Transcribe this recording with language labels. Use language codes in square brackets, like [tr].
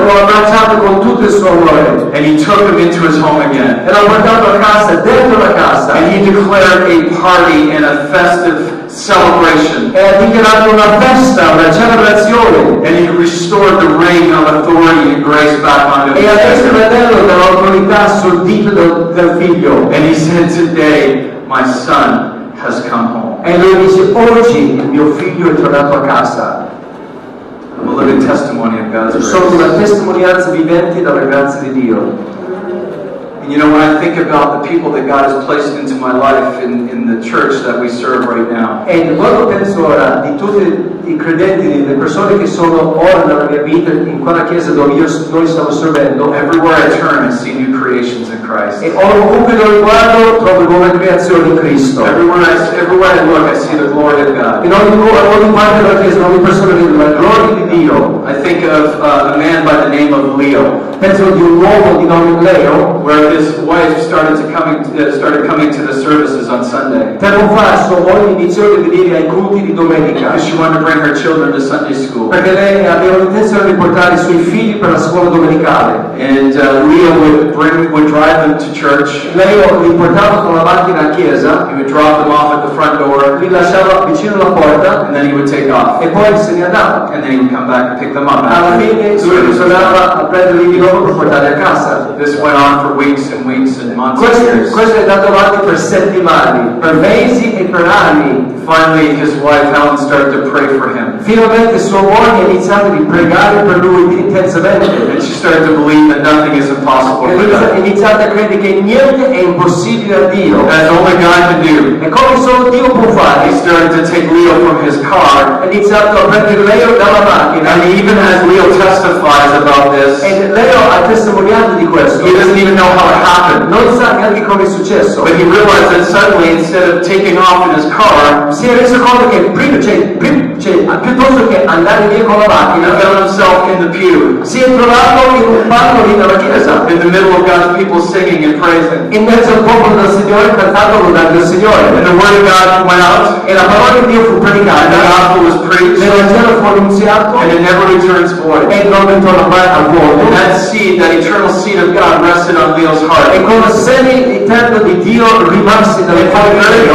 [it] E lo abbracciato con tutto il suo amore. [en] And he took him into his home again. [it] E l'ha portato a casa, dentro la casa. [en] And he declared a party and a festive celebration. [it] E ha dichiarato una festa, una celebrazione. [en] And he restored the reign of authority and grace back onto his head. [it] E ha reso fratello dell'autorità sul dito del figlio. [en] And he said, "Today, my son has come home." [it] E lui dice, "Oggi mio figlio è tornato a casa." [en] I'm a living testimony of God's grace. [it] Sono una testimonianza vivente della grazia di Dio. [en] And you know, when I think about the people that God has placed into my life in the church that we serve right now. [it] E quando penso ora di tutti i credenti, le persone che sono ora nella mia vita in quella chiesa dove noi stiamo servendo. [en] Everywhere I turn, I see new creations in Christ. [it] E ovunque lo guardo, trovo nuove creazioni in Cristo. [en] Everywhere I look, I see the glory of God. [it] In ogni parte della chiesa, ogni persona vedo la gloria di Dio. [en] I think of a man by the name of Leo. [it] Penso di un uomo di nome Leo. [en] Where his wife started coming to the services on Sunday. [it] Tempo fa sua moglie iniziò a venire ai culti di domenica. [en] Because she wanted to bring her children to Sunday school. [it] Perché lei aveva l'intenzione di portare i suoi figli per la scuola domenicale. [en] And Leo would drive them to church. [it] Leo li portava con la macchina a chiesa. [en] He would drop them off at the front door. [it] Li lasciava vicino alla porta. [en] And then he would take off. [it] E poi se ne andava. [en] And then he would come back and pick them up. [it] Alla fine tornava a prenderli di nuovo per portarli a casa. [en] This went on for weeks and weeks and months. [it] Questo è andato avanti per settimane, per mesi e per anni. [en] Finally, his wife Helen started to pray for him. [it] Finalmente sua moglie iniziato di pregare per lui intensamente. [en] And she started to believe that nothing is impossible. [it] Iniziato a credere che niente è impossibile a Dio. [en] As only God can do. [it] E come solo Dio può fare. [en] He started to take Leo from his car. [it] Iniziato a prendere Leo dalla macchina. [en] And even as Leo testifies about this. [it] E Leo ha testimoniato di questo. [en] He doesn't even know how it happened. [it] Non sa neanche come è successo. [en] But he realized that suddenly, instead of taking off in his car. [it] Si è reso conto che piuttosto che andare via con la macchina, [en] found himself in the pew. [it] Si è trovato in un banco lì nella chiesa. [en] In the middle of God's people singing and praising. [it] In mezzo al popolo del Signore cantando lodando il Signore. [en] And the word of God went out. [it] E la parola di Dio fu predicata. [en] And the gospel was preached. [it] L'Evangelo fu annunziato. [en] And it never returns void. [it] E non ritorna mai al vuoto. [en] And that seed, that eternal seed of God, rested on Leo's heart. [it] E quella seme eterna di Dio rimase nel cuore di Leo.